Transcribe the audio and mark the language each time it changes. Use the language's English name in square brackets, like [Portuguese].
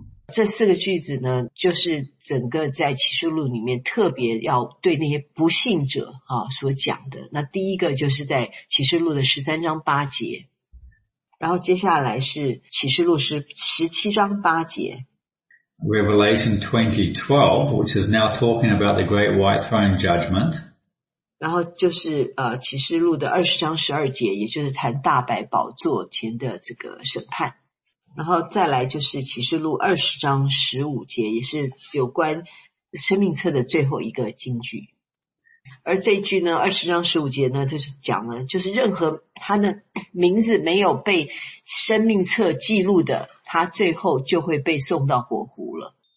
[Chinese] 这四个句子呢就是整个在启示录里面特别要对那些不信者所讲的。那第一个就是在启示录的13章8节。然后接下来是启示录十七章八节。 [English] Revelation 20:12, which is now talking about the great white throne judgment. [Chinese] 然后就是启示录的二十章十二节，也就是谈大白宝座前的这个审判。然后再来就是启示录二十章十五节，也是有关生命册的最后一个金句。而这一句呢，二十章十五节呢，就是讲了，就是任何他的名字没有被生命册记录的，他最后就会被送到火湖了。